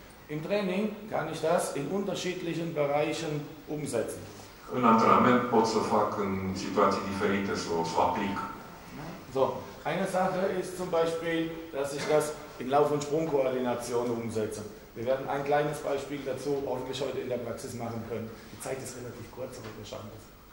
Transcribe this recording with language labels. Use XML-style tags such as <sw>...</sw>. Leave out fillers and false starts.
<de>Im Training kann ich das in unterschiedlichen Bereichen umsetzen.</de> <ro>În antrenament pot să fac în situații diferite să o aplic.</ro> <de>So, eine Sache ist zum Beispiel, dass ich das in Lauf- und Sprungkoordination umsetze. Wir werden ein kleines Beispiel dazu hoffentlich heute in der Praxis machen können. Die Zeit ist relativ kurz, aber wir schaffen das.</de>